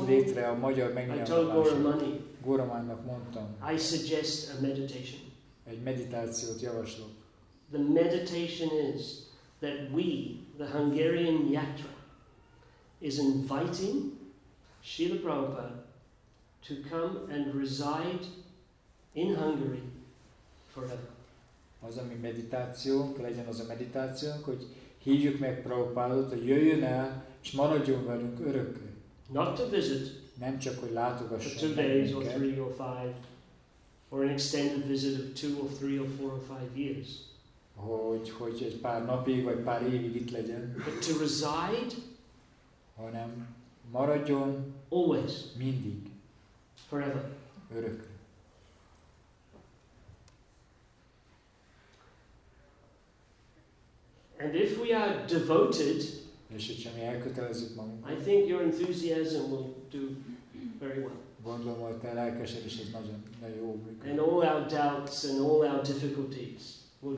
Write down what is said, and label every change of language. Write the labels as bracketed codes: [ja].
[hu] Hozd létre a magyar megnyilvánulásokat. Guramánynak mondtam. [en] I suggest a meditation. [hu] Egy meditációt javaslok. [en] The meditation is that we, the Hungarian yatra, is inviting Srila Prabhupada to come and reside in Hungary forever. [hu] Az a mi meditációnk, legyen az a meditációnk, hogy hívjuk meg Prabhupádot, hogy jöjjön el, és maradjon velünk örökké. [en] Not to visit. [hu] Nem csak, hogy látogasson minket. [en] For 2 days or 3 or 5, or an extended visit of 2 or 3 or 4 or 5 years. [hu] Hogy egy pár napig vagy pár évig itt legyen. [en] But to reside. [hu] Hanem maradjon [en] always, [hu] mindig, [en] forever, [hu] örökre. [en] And if we are devoted, [hu] és hogyha mi elkötelezzük magunkat, [en] I think your enthusiasm will do very well. [hu] Gondolom, hogy te lelkesedésed nagyon, nagyon jó működik. [en] And all our doubts and all our difficulties will